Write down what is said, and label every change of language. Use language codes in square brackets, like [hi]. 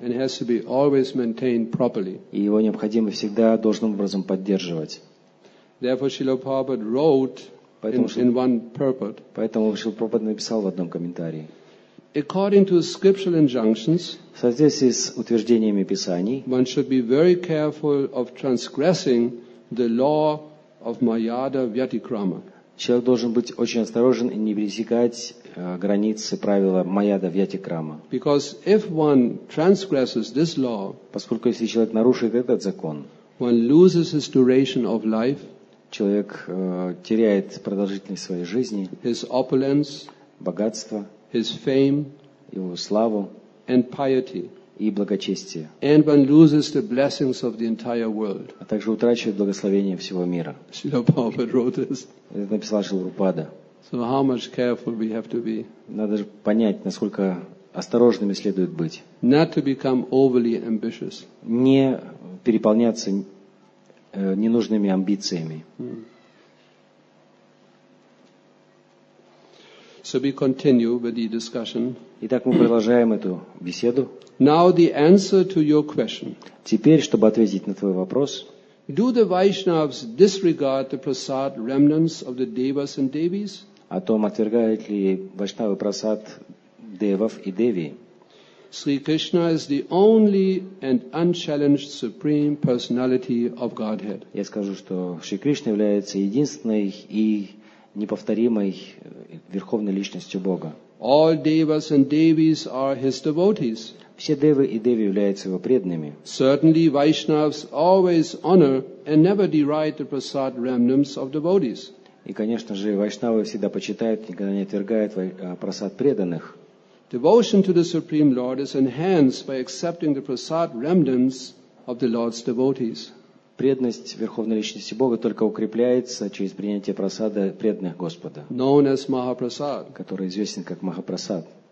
[en] And has to be always maintained properly. [ru] И его необходимо всегда должным образом поддерживать. [en] Therefore, Srila Prabhupada wrote in one purport. [ru] Поэтому Шрила Прабхупада написал в одном комментарии. [en] According to scriptural injunctions, [ru] в соответствии с утверждениями Писаний, [en] one should be very careful of transgressing the law of Mayada Vyatikrama. [ru] Человек должен быть очень осторожен и не пересекать границы правила Майяда Вьятикрама. [en] Because if one transgresses this law, [ru] поскольку если человек нарушит этот закон, [en] one loses his duration of life, [ru] человек теряет продолжительность своей жизни, [en] his opulence, [ru] богатство, [en] his fame, [ru] его славу, [en] and piety, [ru] и благочестие, [en] and one loses the blessings of the entire world. [ru] А также утрачивает благословение всего мира. [en] Srila Prabhupada wrote this. [ru] Это написал Шрила Прабхупада. [en] So how much careful we have to be. [ru] Надо же понять, насколько осторожными следует быть. [en] Not to become overly ambitious. [ru] Не переполняться ненужными амбициями. [en] So we continue with the discussion. [ru] Итак, мы продолжаем эту беседу. [en] Now the answer to your question. [ru] Теперь, чтобы ответить на твой вопрос. [en] Do the Vaishnavas disregard the prasad remnants of the devas and devis? [ru] О том, отвергают ли вайшнавы прасад девов и деви? [en] Sri Krishna is the only and unchallenged supreme personality of Godhead. [ru] Я скажу, что Шри Кришна является единственной и неповторимой верховной личностью Бога. [en] All devas and devis are his devotees. [ru] Все девы и деви являются его преданными. [en] Certainly, Vaishnavas always honor and never deride the prasad remnants of devotees. [ru] И, конечно же, вайшнавы всегда почитают, никогда не отвергают прасад преданных. [en] Devotion to the Supreme Lord is enhanced by accepting the prasad remnants of the Lord's devotees. [ru] Преданность верховной личности Бога только укрепляется через принятие прасада преданных Господа, [en] known as Mahaprasad, [ru] который известен как Махапрасад.